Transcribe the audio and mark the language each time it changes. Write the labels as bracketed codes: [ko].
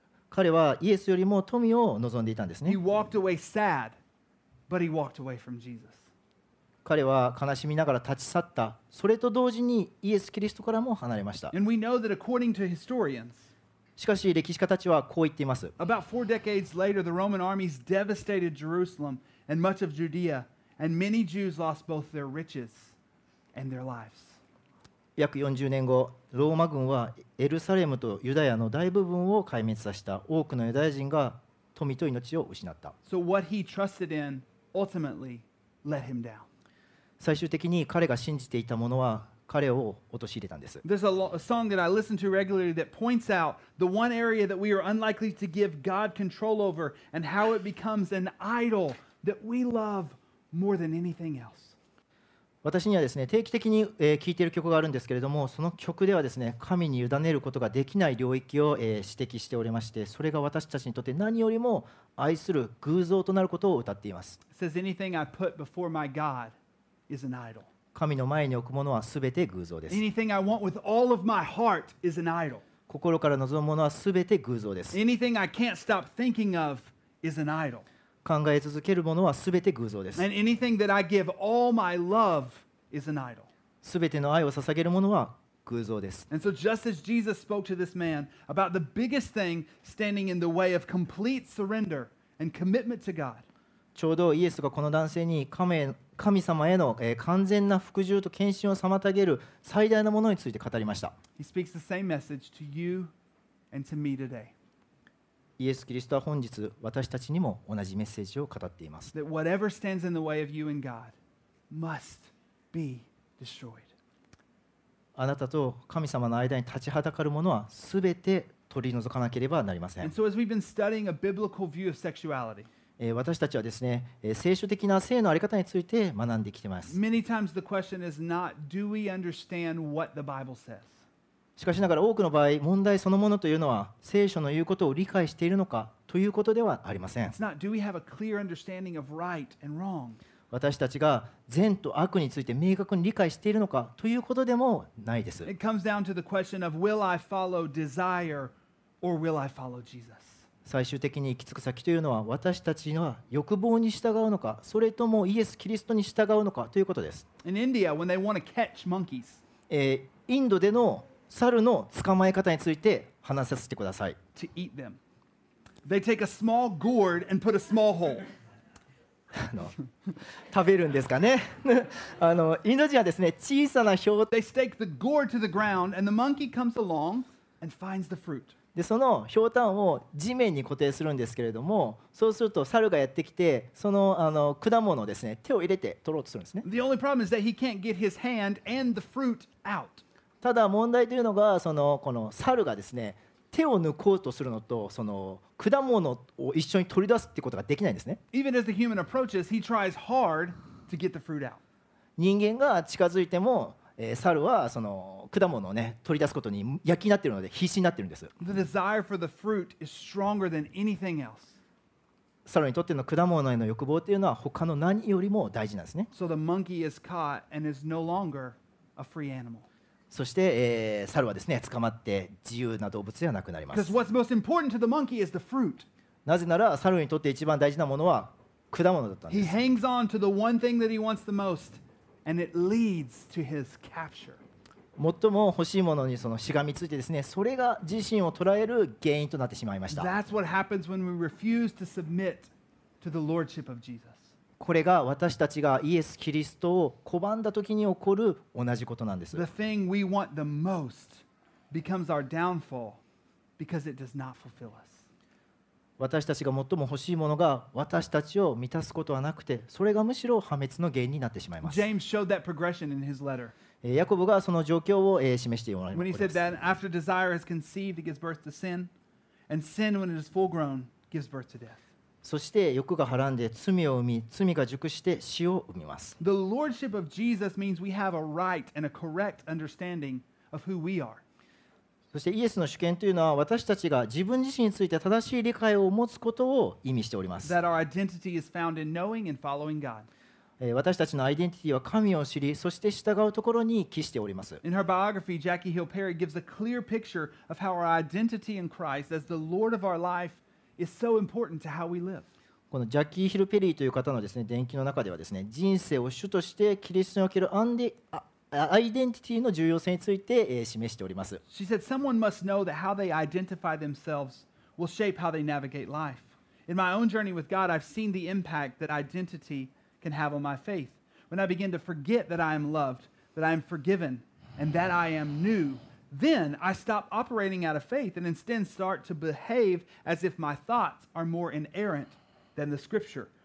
[ja] 彼はイエスよりも富を望んでいたんですね。 [en] He walked away sad, but he walked away from Jesus. [ja] 彼は悲しみながら立ち去った。それと同時にイエス・キリストからも離れました。 [en] And we know that according to historians, [ja] しかし歴史家たちはこう言っています。 [en] About four decades later, the Roman armies devastated Jerusalem and much of Judea, and many Jews lost both their riches and their lives. [ja] 約40年後、ローマ軍はエルサレムとユダヤの大部分を壊滅させた。多くのユダヤ人が富と命を失った。 [en] So what he trusted in ultimately let him down. [ja] 最終的に彼が信じていたものは彼を陥れたんです。 [en] song that I listen to regularly that points out the one area that we are unlikely to give God control over and how it becomes an idol that we love more than anything else. [ja] 私にはですね、定期的に聴いている曲があるんですけれども、その曲ではですね、神に委ねることができない領域を指摘しておりまして、それが私たちにとって何よりも愛する偶像となることを歌っています。 [en] It says anything I put before my God is an idol. [ja] 神の前に置くものはすべて偶像です。 [en] Anything I want with all of my heart is an idol. [ja] 心から望むものはすべて偶像です。 [en] Anything I can't stop thinking of is an idol. [ja] 考え続けるものはすべて偶像です。 [en] And anything that I give all my love is an idol. [ja] すべての愛を捧げるものは偶像です。 [en] And so just as Jesus spoke to this man about the biggest thing standing in the way of complete surrender and commitment to God. [ja] ちょうどイエスがこの男性に神様への完全な服従と献身を妨げる最大なものについて語りました。 [en] He speaks the same message to you and to me today. [ja] イエス・キリストは本日私たちにも同じメッセージを語っています。 [en] That whatever stands in the way of you and God must be destroyed. [ja] あなたと神様の間に立ちはだかるものはすべて取り除かなければなりません。 [en] And so as we've been studying a biblical view of sexuality, [ja] 私たちはですね、聖書的な性のあり方について学んできています。 [en] Many times the question is not, do we understand what the Bible says? [ja] しかしながら多くの場合問題そのものというのは聖書の言うことを理解しているのかということではありません。 [en] It's not, do we have a clear understanding of right and wrong? [ja] 私たちが善と悪について明確に理解しているのかということでもないです。 [en] It comes down to the question of will I follow desire or will I follow Jesus? [ja] 最終的に行き着く先というのは私たちは欲望に従うのかそれともイエス・キリストに従うのかということです。 [en] In India, when they want to catch monkeys, [ja] インドでの猿の捕まえ方について話させてください。 [en] To eat them. They take a small gourd and put a small hole. [ja] 食べるんですかね。インド人はですね、小さな瓢。 [en] They stake the gourd to the ground and the monkey comes along and finds the fruit. [ja] で、その瓢端を地面に固定するんですけれども、そうすると猿がやってきて、その果物をですね、手を入れて取ろうとするんですね。 [en] The only problem is that he can't get his hand and the fruit out. [ja] ただ問題というのがそのこの猿がですね手を抜こうとするのとその果物を一緒に取り出すっていうことができないんですね。 [en] Even as the human approaches, he tries hard to get the fruit out. [ja] 人間が近づいても猿はその果物をね取り出すことに焼きになっているので必死になっているんです。 [en] The desire for the fruit is stronger than anything else. [ja] 猿にとっての果物への欲望というのは他の何よりも大事なんですね。 [en] So the monkey is caught and is no longer a free animal. [ja] そして、猿はですね捕まって自由な動物ではなくなります。 [en] Because what's most important to the monkey is the fruit. [ja] なぜなら猿にとって一番大事なものは果物だったんです。 [en] He hangs on to the one thing that he wants the most, and it leads to his capture. [ja] 最も欲しいものにそのしがみついてですね、それが自身を捉える原因となってしまいました。 [en] That's what happens when we refuse to submit to the lordship of Jesus. [ja] これが私たちがイエス・キリストを拒んだ時に起こる同じことなんです。 [en] The thing we want the most becomes our downfall because it does not fulfill us. [ja] 私たちが最も欲しいものが私たちを満たすことはなくて、それがむしろ破滅の原因になってしまいます。 [en] James showed that progression in his letter. [ja] ヤコブがその状況を示しておられます。 [en] When he said that after desire has conceived, it gives birth to sin, and sin, when it is full grown, gives birth to death. [ja] そして欲がはらんで罪を生み、罪が熟して死を生みます。 [en] The lordship of Jesus means we have a right and a correct understanding of who we are. [ja] そしてイエスの主権というのは私たちが自分自身について正しい理解を持つことを意味しております。 [en] That our identity is found in knowing and following God. [ja] 私たちのアイデンティティは神を知り、そして従うところに帰しております。 [en] In her biography, Jackie Hill Perry gives a clear picture of how our identity in Christ as the Lord of our lifeIs so important to how we live. [ja] このジャッキー・ヒル・ペリーという方のですね、伝記の中ではですね、人生を主としてキリストにおけるアイデンティティの重要性について示しております。 [en] She said, "Someone must know that how they identify themselves will shape how they navigate life. In my own journey with God, I've seen the impact that identity can have on my faith. When I begin to forget that I am loved, that I am forgiven, and that I am new." Then I stop operating out of faith and instead start to behave as if my thoughts are more inerrant than the scripture.